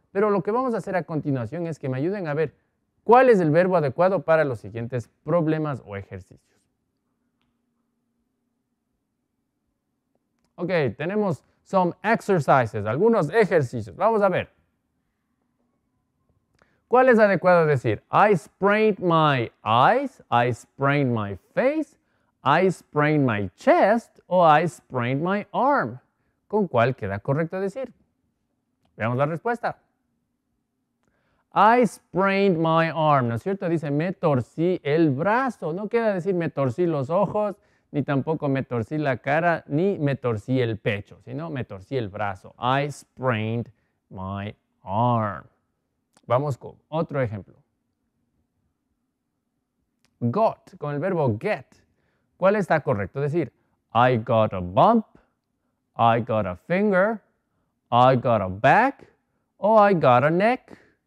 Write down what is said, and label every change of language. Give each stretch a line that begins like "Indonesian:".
Spanish: Pero lo que vamos a hacer a continuación es que me ayuden a ver cuál es el verbo adecuado para los siguientes problemas o ejercicios. Ok, tenemos
English: some exercises,
Spanish: algunos ejercicios. Vamos a ver. ¿Cuál es adecuado decir?
English: I sprained my eyes, I sprained my face, I sprained my chest, o I sprained my arm.
Spanish: ¿Con cuál queda correcto decir? Veamos la respuesta.
English: I sprained my arm,
Spanish: ¿no es cierto? Dice, me torcí el brazo. No queda decir me torcí los ojos, ni tampoco me torcí la cara, ni me torcí el pecho, sino me torcí el brazo.
English: I sprained my arm.
Spanish: Vamos con otro ejemplo. Got, con el verbo get. ¿Cuál está correcto decir?
English: I got a bump, I got a finger, I got a back, o I got a neck.